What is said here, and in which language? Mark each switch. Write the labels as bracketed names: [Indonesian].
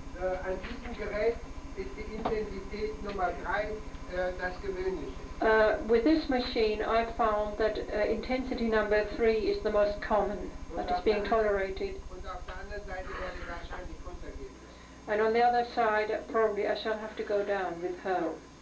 [German] An diesem Gerät ist die Intensität Nummer 3 das Gewöhnliche. [English] With this machine, I found that intensity number 3 is the most common that is being tolerated. [German] Und auf der anderen Seite werde ich wahrscheinlich runtergehen. [English] And on the other side, probably I shall have to go down with her.